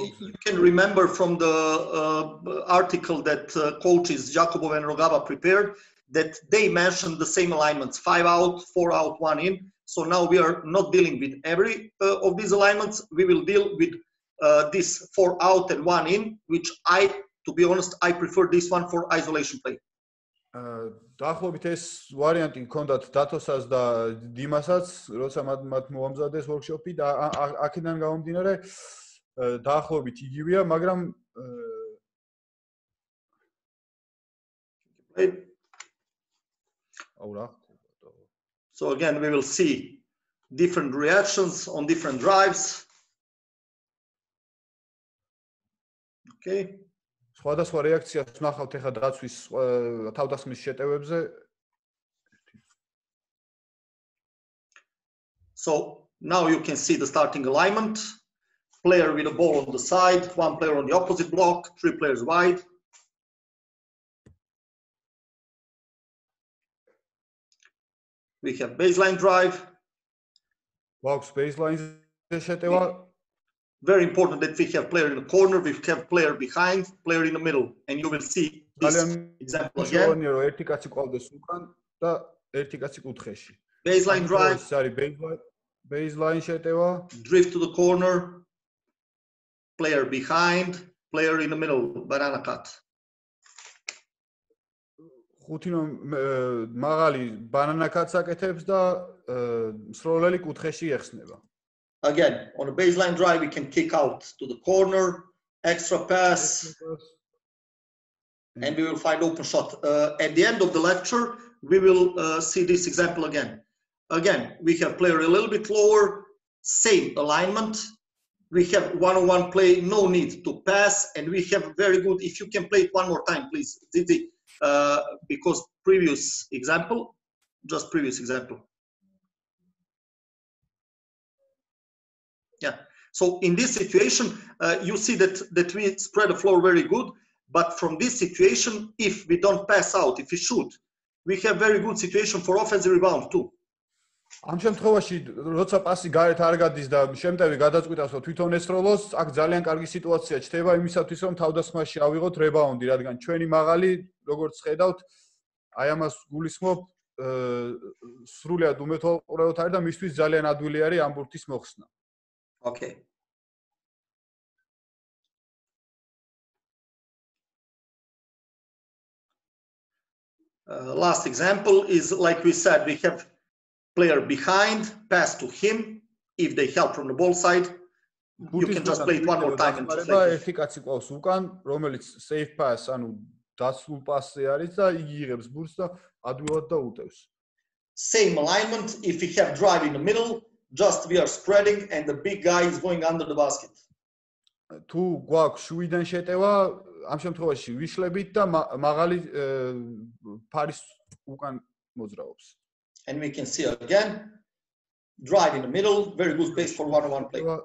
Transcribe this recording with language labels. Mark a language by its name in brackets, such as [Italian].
[English] You can remember from the article that coaches Jakubov and Rogava prepared that they mentioned the same alignments, 5 out, 4 out, 1 in. So now we are not dealing with every of these alignments, we will deal with this 4 out and 1 in, which I to be honest I prefer this one for isolation play. [Georgian] დაახლოებით ეს ვარიანტი მქონდათ დათოსას და დიმასაც, როცა მათ მოამზადეს ვორკშოპი და აქედან გამომდინარე დაახლოებით იგივეა, მაგრამ [English] play [Georgian] აუ რა. [English] So again we will see different reactions on different drives. Okay. [Georgian] სხვადასხვა რეაქციას ვნახავთ ახლა დაცვის თავდასხმის შეტევებზე. [English] So now you can see the starting alignment. Player with a ball on the side, one player on the opposite block, three players wide. We have baseline drive. Box baseline [Georgian] შეტევა. [English] Very important that we have player in the corner, we have player behind, player in the middle, and you will see this example again. [Georgian] Ძალიან ერთი კაცი ყავდეს უკან და ერთი კაცი კუთხეში. [English] Baseline drive. Sorry, baseline [Georgian] შეტევა. [English] Drift to the corner. Player behind, player in the middle, banana cut. [Georgian] ხუთინო მაღალი banana cut-ს აკეთებს და სროლელი კუთხეში ეხსნება. [English] Again, on a baseline drive we can kick out to the corner, extra pass. And we will find open shot. At the end of the lecture, we will see this example again. Again, we have player a little bit lower, same alignment. We have one-on-one play, no need to pass, and we have very good, if you can play it one more time, please, Didi, because previous example, just previous example. Yeah, so in this situation, you see that we spread the floor very good, but from this situation, if we don't pass out, if we shoot, we have very good situation for offensive rebound too. [Georgian] ამ შემთხვევაში როცა პასი გარეთ არ გადის და შემტევი გადაწყვიტავს რომ თვითონ ესროლოს, აქ ძალიან კარგი სიტუაცია ჩდება იმისათვის რომ თავდასხმაში ავიღოთ რებაუნდი, რადგან ჩვენი მაღალი როგორც ხედავთ, აი ამას გულისხმობ, სრულად უმეთვალყურეოთ არის და მისთვის ძალიან ადვილი არის ამ ბურთის მოხსნა. [English] Okay. Last example is like we said we have player behind, pass to him, if they help from the ball side, you can just play it one more time and play it. [Georgian] ერთი კაცი ყავს უკან, რომელიც safe pass, ანუ დასულ პასზე არის და იგი იღებს ბურთს და ადვილად და უტევს. [English] Same alignment, if we have drive in the middle, just we are spreading and the big guy is going under the basket. [Georgian] თუ გვაქვს 7-დან შეტევა, ამ შემთხვევაში ვიშლებით და მაღალი ფარის უკან მოძრაობს. [English] And we can see again drive in the middle, very good space for one-on-one play.